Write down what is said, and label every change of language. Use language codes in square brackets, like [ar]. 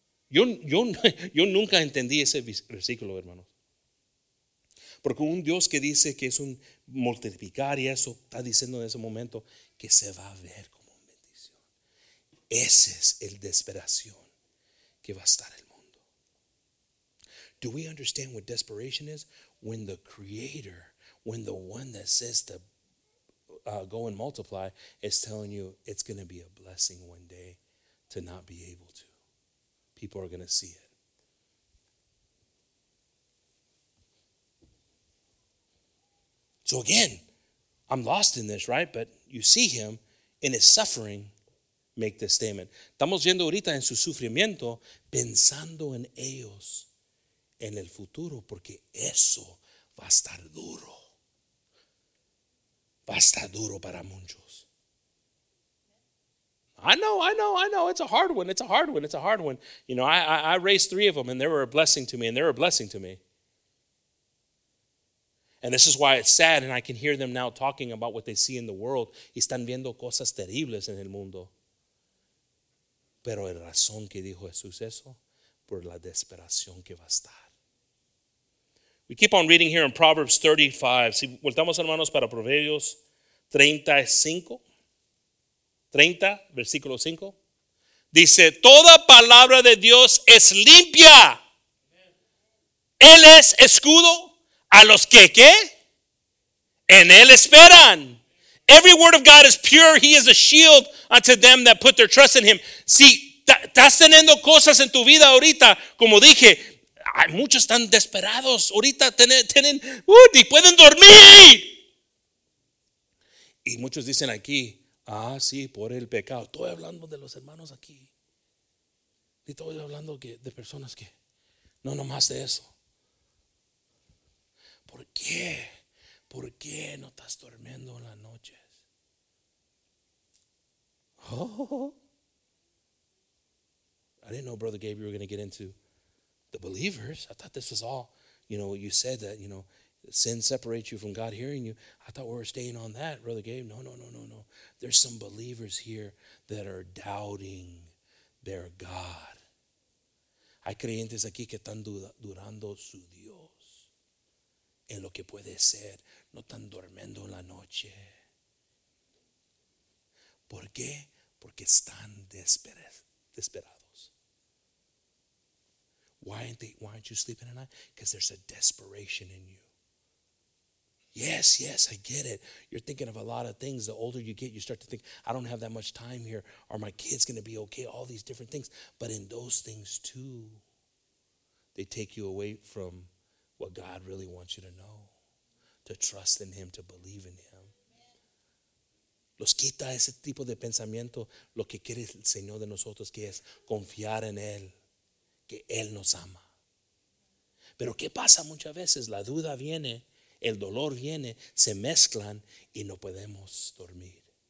[es] Yo nunca entendí ese versículo, hermanos. Porque un Dios que dice que es un multiplicar y eso está diciendo en ese momento que se va a ver. Ese es el desesperación que va a estar el mundo. [en] Do we understand what desperation is? When the creator, when the one that says to go and multiply is telling you it's going to be a blessing one day to not be able to. People are going to see it. So again, I'm lost in this, right? But you see him in his suffering. Make this statement. [es] Estamos yendo ahorita en su sufrimiento, pensando en ellos, en el futuro, porque eso va a estar duro. Va a estar duro para muchos. [en] I know. It's a hard one. You know, I raised three of them, and they were a blessing to me, And this is why it's sad, and I can hear them now talking about what they see in the world. [es] Y están viendo cosas terribles en el mundo. Pero la razón que dijo Jesús eso, por la desesperación que va a estar. [en] We keep on reading here in Proverbs 35. [es] Si voltamos, hermanos, para Proverbios 30, versículo 5. Dice, toda palabra de Dios es limpia. Él es escudo a los que, ¿qué? En él esperan. [en] Every word of God is pure. He is a shield unto them that put their trust in him. [es] Si estás teniendo cosas en tu vida ahorita, como dije, muchos están desesperados. Ahorita tienen, ni pueden dormir. Y muchos dicen aquí, sí, por el pecado. Estoy hablando de los hermanos aquí. Y estoy hablando de personas que, no nomás de eso. ¿Por qué? ¿Por qué no estás durmiendo en la noche? Oh. [en] I didn't know, Brother Gabriel, you were going to get into the believers. I thought this was all, you know, you said that, you know, sin separates you from God hearing you. I thought we were staying on that, Brother Gabe. No. There's some believers here that are doubting their God. [es] Hay creyentes aquí que están durando su Dios en lo que puede ser. No están durmiendo en la noche. ¿Por qué? Porque están desesperados. [en] Why aren't you sleeping at night? Because there's a desperation in you. Yes, I get it. You're thinking of a lot of things. The older you get, you start to think, I don't have that much time here. Are my kids going to be okay? All these different things. But in those things too, they take you away from what God really wants you to know. To trust in him, to believe in him. [es] Los quita ese tipo de pensamiento lo que quiere el Señor de nosotros, que es confiar en Él, que Él nos ama. Pero ¿qué pasa muchas veces? La duda viene, el dolor viene, se mezclan y no podemos dormir.